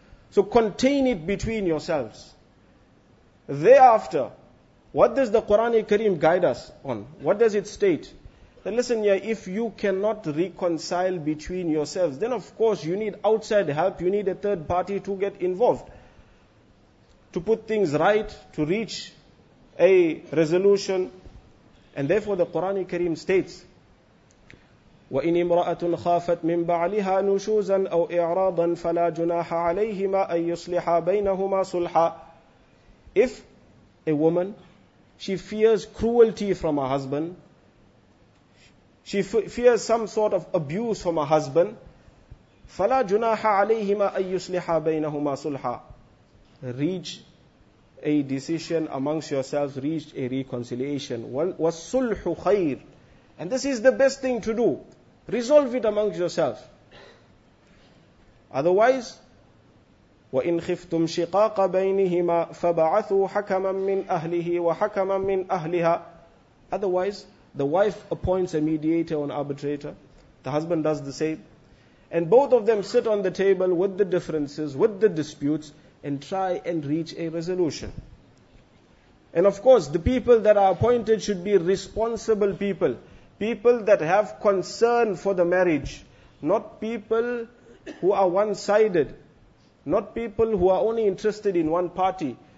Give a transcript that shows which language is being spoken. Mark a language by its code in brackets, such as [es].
[en] So contain it between yourselves. Thereafter, what does the Quran Kareem guide us on? What does it state? Then listen here, if you cannot reconcile between yourselves, then of course you need outside help, you need a third party to get involved, to put things right, to reach a resolution. And therefore the Quran Kareem states, [ar] وَإِنْ إِمْرَأَةٌ خَافَتْ مِنْ بَعْلِهَا نُشُوزًا أَوْ إِعْرَاضًا فَلَا جُنَاحَ عَلَيْهِمَا أَنْ يُصْلِحَ بَيْنَهُمَا صُلْحًا. [en] If a woman, she fears cruelty from her husband, she fears some sort of abuse from her husband, [ar] فَلَا جُنَاحَ عَلَيْهِمَا أَنْ يُصْلِحَ بَيْنَهُمَا صُلْحًا. [en] Reach a decision amongst yourselves, reach a reconciliation. [ar] وَالصُلْحُ خَيْرٌ. [en] And this is the best thing to do. Resolve it amongst yourself. Otherwise, [ar] وَإِنْ خِفْتُمْ شِقَاقَ بَيْنِهِمَا فَبَعَثُوا حَكَمًا مِّنْ أَهْلِهِ وَحَكَمًا مِّنْ أَهْلِهَا. [en] Otherwise, the wife appoints a mediator or an arbitrator. The husband does the same. And both of them sit on the table with the differences, with the disputes, and try and reach a resolution. And of course, the people that are appointed should be responsible people. People that have concern for the marriage, not people who are one-sided, not people who are only interested in one party.